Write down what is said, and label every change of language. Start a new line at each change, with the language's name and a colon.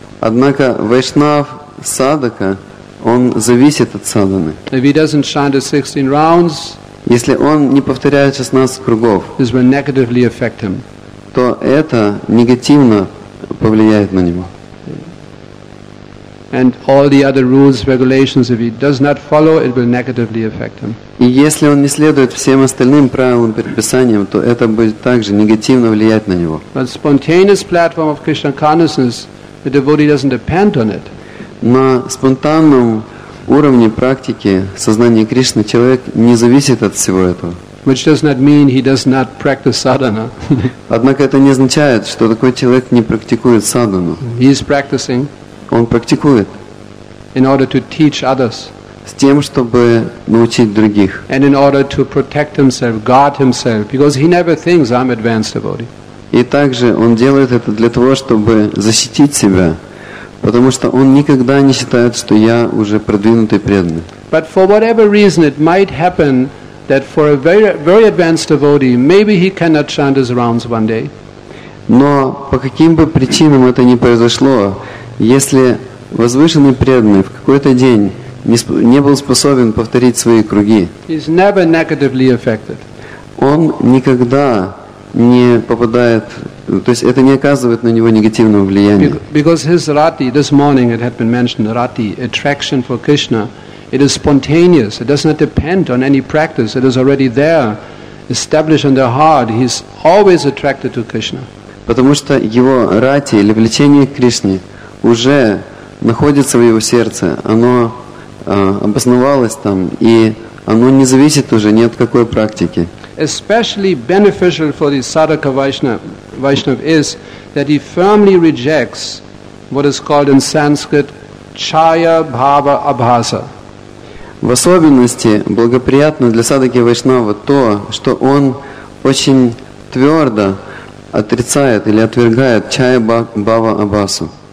Russian: Однако вайшнав садхака, он зависит от садханы.
English: If he doesn't chant the 16 rounds,
Russian: если он не повторяет 16 кругов,
English: this will negatively affect him.
Russian: То это негативно повлияет на него.
English: And all the other rules, regulations, if he does not follow, it will negatively affect him.
Russian: И если он не следует всем остальным правилам, предписаниям, то это будет также негативно влиять на него.
English: But spontaneous platform of Krishna consciousness, the devotee doesn't depend on it.
Russian: На спонтанном уровне практики сознания Кришны человек не зависит от всего этого.
English: Which does not mean he does not practice sadhana.
Russian: Однако это не означает, что такой человек не практикует садхану.
English: He is practicing.
Russian: Он практикует.
English: In order to teach others.
Russian: С тем, чтобы научить других.
English: And in order to protect himself, guard himself, because he never thinks I'm advanced devotee.
Russian: И также он делает это для того, чтобы защитить себя, потому что он никогда не считает, что я уже продвинутый преданный.
English: But for whatever reason, it might happen that for a very, very advanced devotee, maybe he cannot chant his rounds one day.
Russian: Но по каким бы причинам это ни произошло, если возвышенный преданный в какой-то день не был способен повторить свои круги,
English: he's never negatively affected.
Russian: Он никогда не попадает, то есть это не оказывает на него негативного влияния.
English: Because his rati, this morning it had been mentioned, rati, attraction for Krishna, it is spontaneous, it does not depend on any practice, it is already there, established in their heart, he is always attracted to Krishna.
Russian: Потому что его рати или влечение к Кришне уже находится в его сердце, оно обосновалось там, и оно не зависит уже ни от какой практики.
English: Especially beneficial for the sadhaka Vaishnava is that he firmly rejects what is called in Sanskrit chaya bhava abhasa.
Russian: В особенности благоприятно для садхаки Вайшнава то, что он очень твердо отрицает или отвергает чая бхава абхасу.